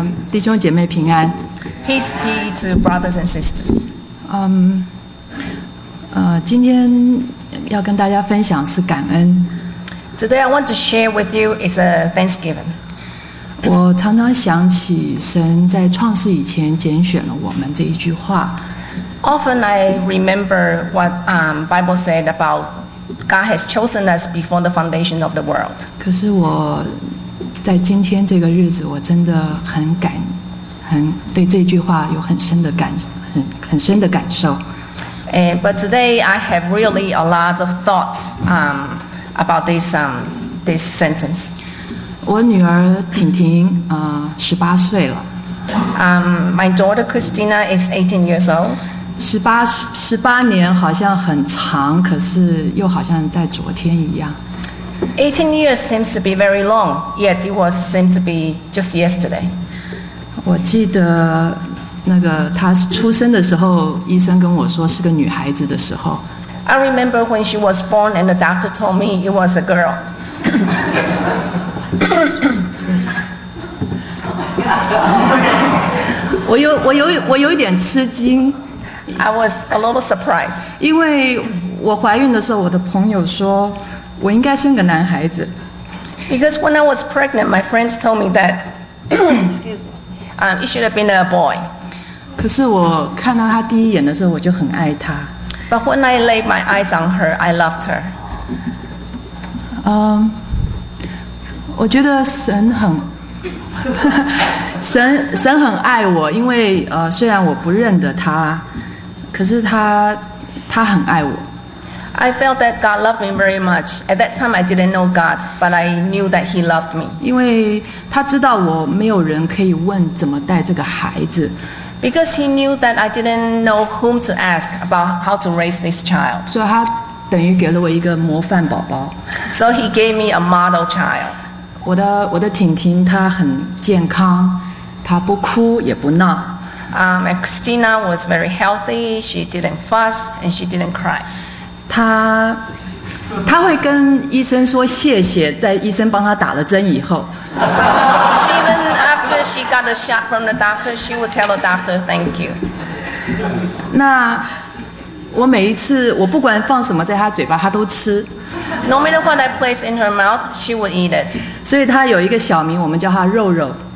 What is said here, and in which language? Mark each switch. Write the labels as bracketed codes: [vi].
[zh] 弟兄姐妹平安 [en] ，Peace be to brothers and sisters。 [zh] 今天要跟大家分享是感恩。 [en] Today I want to share with you is a thanksgiving。 [zh] 我常常想起神在创世以前拣选了我们这一句话。 [en] Often I remember what Bible said about God has chosen us before the foundation of the world。 [zh] 可是我。在今天这个日子，我真的很对这句话有很深的感受。 [en] But today I have really a lot of thoughts about this sentence. [zh] 我女儿婷婷十八岁了。 [en] My daughter Christina is 18 years old. [zh] 十八年好像很长，可是又好像在昨天一样。 [en] 18 years seems to be very long, yet it was seemed to be just yesterday. [zh] 我记得那个她出生的时候，医生跟我说是个女孩子的时候。 [en] I remember when she was born and the doctor told me it was a girl. [zh] 我有一点吃惊。 [en] I was a little surprised. [zh] 因为我怀孕的时候，我的朋友说我应该生个男孩子。 [en] Because when I was pregnant, my friends told me that it should have been a boy. [zh] 可是我看到他第一眼的时候，我就很爱他。 [en] But when I laid my eyes on her, I loved her. [zh] 我觉得神很爱我，因为虽然我不认得他，可是他很爱我。 [en] I felt that God loved me very much. At that time, I didn't know God, but I knew that He loved me. [zh] 因为他知道我没有人可以问怎么带这个孩子。 [en] Because He knew that I didn't know whom to ask about how to raise this child. [zh] 所以他等于给了我一个模范宝宝。 [en] So He gave me a model child. [zh] 我的婷婷她很健康，她不哭也不闹。 [en] And Christina was very healthy. She didn't fuss and she didn't cry. [zh] 他会跟医生说谢谢，在医生帮他打了针以后。 [en] Even after she got a shot from the doctor, she would tell the doctor thank you. [zh] 那我每一次，我不管放什么在他嘴巴，他都吃。 [en] No matter what I place in her mouth, she would eat it. [zh] 所以他有一个小名，我们叫他肉肉。